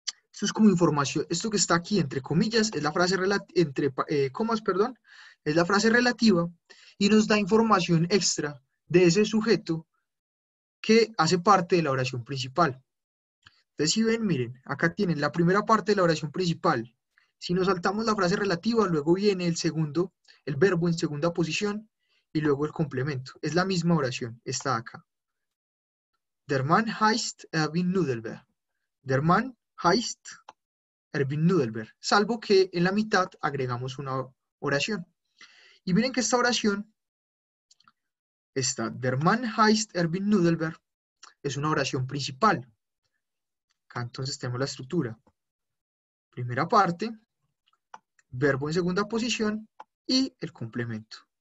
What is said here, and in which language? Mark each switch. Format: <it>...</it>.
<es>Esto es como información. Esto que está aquí entre comillas es la frase entre comas, es la frase relativa y nos da información extra de ese sujeto que hace parte de la oración principal. Entonces, si ven, miren, acá tienen la primera parte de la oración principal. Si nos saltamos la frase relativa, luego viene el verbo en segunda posición y luego el complemento. Es la misma oración, está acá.</es> <de>Der Mann heißt Erwin Nudelberg. Der Mann heißt Erwin Nudelberg.</de> <es>Salvo que en la mitad agregamos una oración. Y miren que esta oración, esta,</es> <de>Der Mann heißt Erwin Nudelberg,</de> <es>es una oración principal. Acá entonces tenemos la estructura. Primera parte, verbo en segunda posición y el complemento.</es>